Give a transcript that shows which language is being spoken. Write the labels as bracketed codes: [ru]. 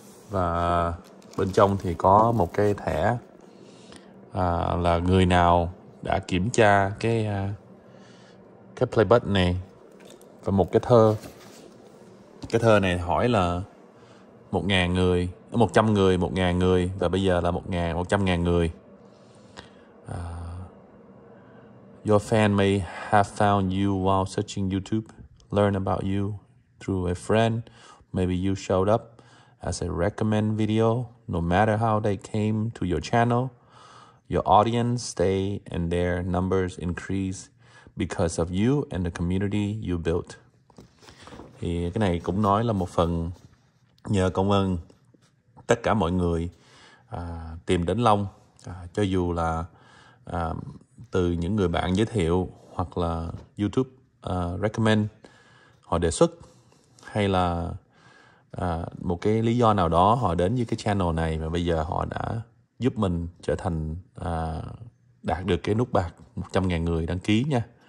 [vi] Và bên trong thì có một cái thẻ là người nào đã kiểm tra cái play button này. Và một cái thơ. Cái thơ này hỏi là 1.000 người 100 người, 1.000 người và bây giờ là 100.000 người. [en] Your fan may have found you while searching YouTube, learn about you through a friend. Maybe you showed up as a recommend video. No matter how they came to your channel, your audience stay and their numbers increase because of you and the community you built. [vi] Thì cái này cũng nói là một phần nhờ công ơn tất cả mọi người tìm đến Long, cho dù là từ những người bạn giới thiệu hoặc là YouTube recommend, họ đề xuất, hay là một cái lý do nào đó họ đến với cái channel này và bây giờ họ đã giúp mình trở thành đạt được cái nút bạc 100.000 người đăng ký nha.